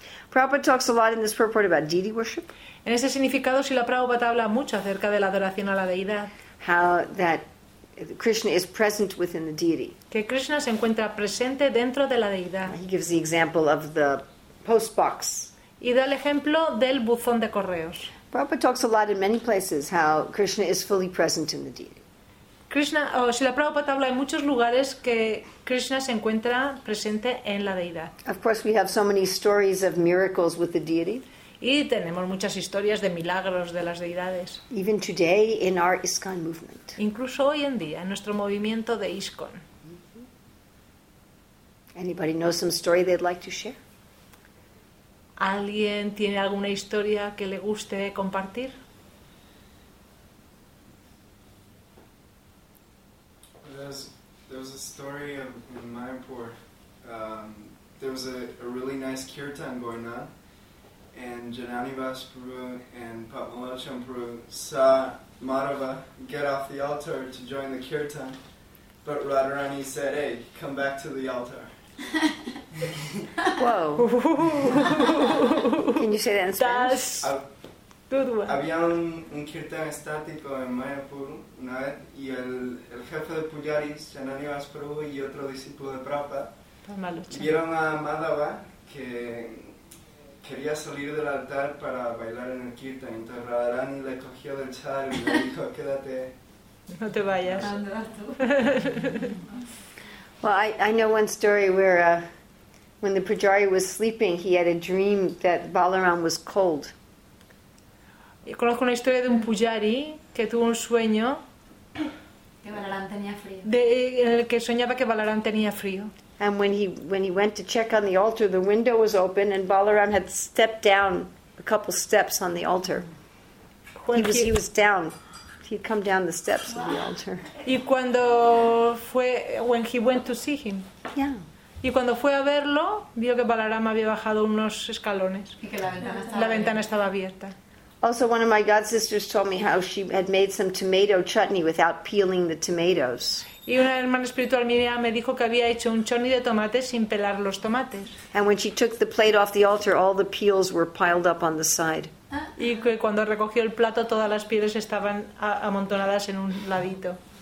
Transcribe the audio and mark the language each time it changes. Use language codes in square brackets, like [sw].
[en] Prabhupada talks a lot in this purport about deity worship. [es] En ese significado, Srila Prabhupada habla mucho acerca de la adoración a la deidad. [en] How that Krishna is present within the deity. [es] Que Krishna se encuentra presente dentro de la deidad. [en] He gives the example of the post box. [es] Y da el ejemplo del buzón de correos. [en] Prabhupada talks a lot in many places how Krishna is fully present in the deity. [es] Krishna, Srila Prabhupada habla en muchos lugares que Krishna se encuentra presente en la deidad. [en] Of course, we have so many stories of miracles with the deity. [es] Y tenemos muchas historias de milagros de las deidades. [en] Even today in our ISKCON movement. [es] Incluso hoy en día en nuestro movimiento de ISKCON. [en] Anybody know some story they'd like to share? [es] ¿Alguien tiene alguna historia que le guste compartir? [en] There was a story in Mayapur. There was a really nice kirtan going on, and Janani Vas Prabhu and Padmalocham Prabhu saw Madhava get off the altar to join the kirtan, but Radharani said, "Hey, come back to the altar." Whoa! Can you say that in Spanish? [es] Había un kirtan estático en Mayapur una vez y el jefe de Pujaris, Janani Vas Prabhu y otro discípulo de Prabhupada vieron a Madhava que quería salir del altar para bailar en el kirtan. Entonces Radharani le cogió del chal y le dijo, quédate. No te vayas. [en] Well, I know one story where when the Pujari was sleeping, he had a dream that Balaram was cold. [es] Conozco una historia de un pujari que tuvo un sueño que Balaram tenía frío. En el que soñaba que Balaram tenía frío. [en] And when he went to check on the altar, the window was open and Balaram had stepped down a couple steps on the altar. He was down. He'd come down the steps of the altar. [es] Y cuando fue [en] when he went to see him. Yeah. [es] Y cuando fue a verlo, vio que Balaram había bajado unos escalones. Y que la ventana estaba abierta. [en] Also, one of my god sisters told me how she had made some tomato chutney without peeling the tomatoes. [es] Y una hermana espiritual mía me dijo que había hecho un chutney de tomates sin pelar los tomates. [en] And when she took the plate off the altar, all the peels were piled up on the side. [es] Y que cuando recogió el plato, todas las pieles estaban amontonadas en un ladito.